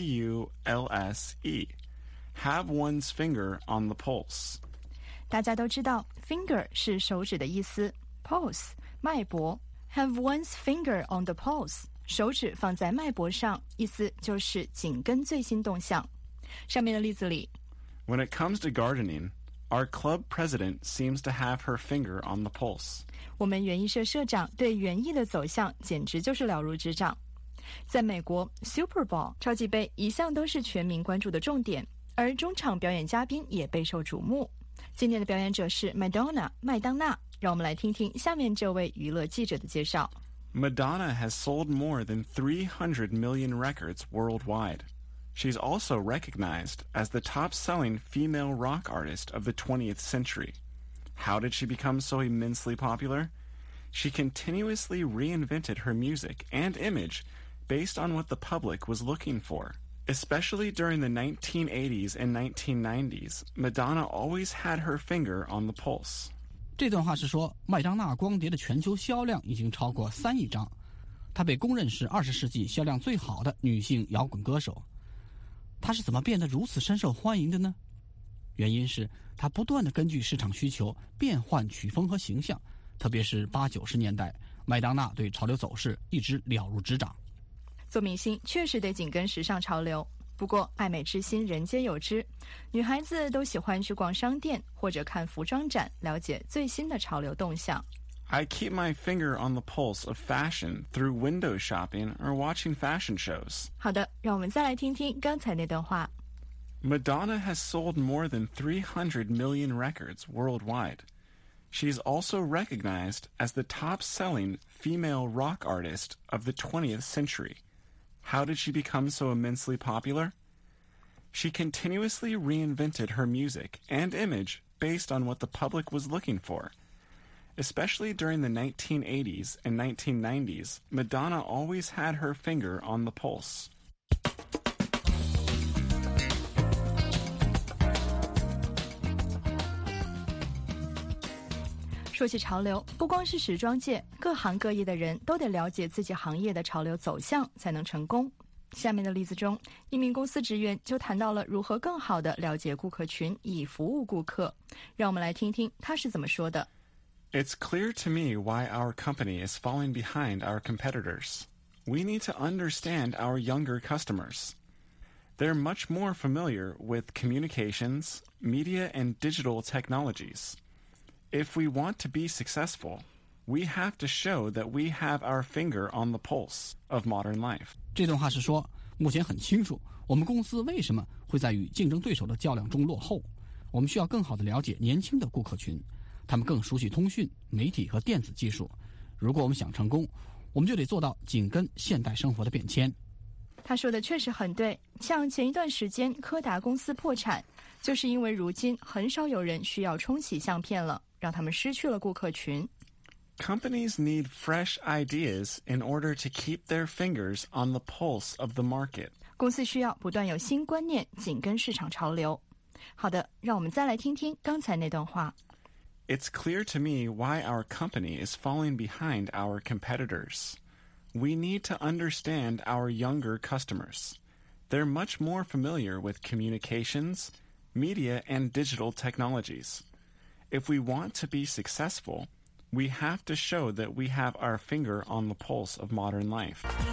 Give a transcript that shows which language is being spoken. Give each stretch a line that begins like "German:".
English: P-U-L-S-E. Have one's finger on the pulse.
Chinese: 大家都知道 finger 是手指的意思 pulse, 脉搏
English: Have one's finger on the pulse.
Chinese: 手指放在脉搏上，意思就是紧跟最新动向。上面的例子里
English: When it comes to gardening, our club president seems to have her finger on the pulse.
Chinese: 我们园艺社社长对园艺的走向简直就是了如指掌。在美国 ,Super Bowl, 超级杯一向都是全民关注的重点，而中场表演嘉宾也备受瞩目。今天的表演者是 Madonna, 麦当娜。让我们来听听下面这位娱乐记者的介绍。
English: Madonna has sold more than 300 million records worldwide. She's also recognized as the top-selling female rock artist of the 20th century. How did she become so immensely popular? She continuously reinvented her music and image based on what the public was looking for. Especially during the 1980s and 1990s, Madonna always had her finger on the pulse.
Chinese: 这段话是说，麦当娜光碟的全球销量已经超过3亿张。她被公认是20世纪销量最好的女性摇滚歌手。她是怎么变得如此深受欢迎的呢？原因是她不断地根据市场需求变换曲风和形象，特别是80-90年代，麦当娜对潮流走势一直了如指掌。做明星确实得紧跟时尚潮流，不过爱美之心人皆有之，女孩子都喜欢去逛商店或者看服装展，了解最新的潮流动向。
English: I keep my finger on the pulse of fashion through window shopping or watching fashion shows.
Chinese: 好的，让我们再来听听刚才那段话。
English: Madonna has sold more than 300 million records worldwide. She's also recognized as the top-selling female rock artist of the 20th century. How did she become so immensely popular? She continuously reinvented her music and image based on what the public was looking for. Especially during the 1980s and 1990s, Madonna always had her finger on the pulse.
Chinese: 说起潮流，不光是时装界，各行各业的人都得了解自己行业的潮流走向才能成功。下面的例子中，一名公司职员就谈到了如何更好地了解顾客群以服务顾客。让我们来听听他是怎么说的。
English: It's clear to me why our company is falling behind our competitors. We need to understand our younger customers. They're much more familiar with communications, media, and digital technologies. If we want to be successful, we have to show that we have our finger on the pulse of modern life.
Chinese: 这段话是说，目前很清楚，我们公司为什么会在与竞争对手的较量中落后。我们需要更好地了解年轻的顾客群。他们更熟悉通讯、媒体和电子技术。如果我们想成功，我们就得做到紧跟现代生活的变迁。他说的确实很对，像前一段时间柯达公司破产，就是因为如今很少有人需要冲洗相片了，让他们失去了顾客群。
English: Companies need fresh ideas in order to keep their fingers on the pulse of the market.
Chinese: 公司需要不断有新观念，紧跟市场潮流。好的，让我们再来听听刚才那段话。
English: It's clear to me why our company is falling behind our competitors. We need to understand our younger customers. They're much more familiar with communications, media, and digital technologies. If we want to be successful, we have to show that we have our finger on the pulse of modern life.